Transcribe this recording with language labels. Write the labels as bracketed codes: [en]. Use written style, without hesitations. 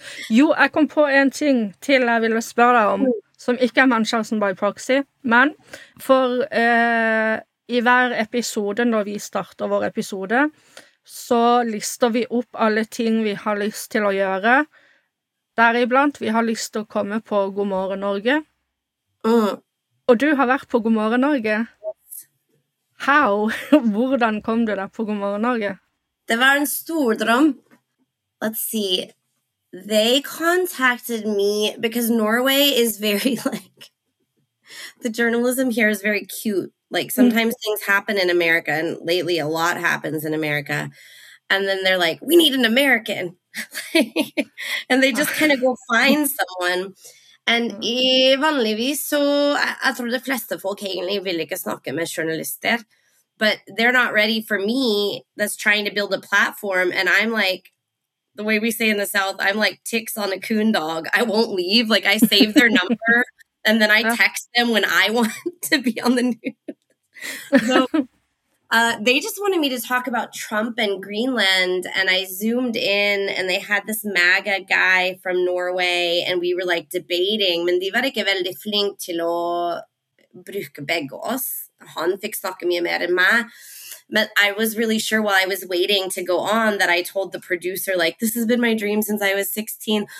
[no] Jo, jeg kom på en ting til jeg ville spørre deg om, som ikke Munchausen by proxy, men for i hver episode når vi starter vår episode, så lister vi opp alle ting vi har lyst til å gjøre. Deriblant, vi har lyst til å komme på God Morgen Norge. Og du har vært på God Morgen Norge. [en] How? [no] Hvordan kom du der på God Morgen Norge? Det var en stor drøm. [en] Let's see. They contacted me because Norway is very like, the journalism here is very cute. Like sometimes things happen in America and lately a lot happens in America. And then they're like, we need an American. And they just kind of go find someone. [no] And vanligvis så, jeg tror de fleste folk egentlig vil ikke snakke med journalister. [en] But they're not ready for me that's trying to build a platform. And I'm like, the way we say in the South, I'm like ticks on a coon dog. I won't leave. Like I save their number and then I text them when I want to be on the news. So they just wanted me to talk about Trump and Greenland. And I zoomed in and they had this MAGA guy from Norway. And we were like debating. [no] Men de var ikke veldig flink til å bruke begge oss. Han fikk snakke mye mer enn meg. [en] But I was really sure while I was waiting to go on that I told the producer, like, this has been my dream since I was 16.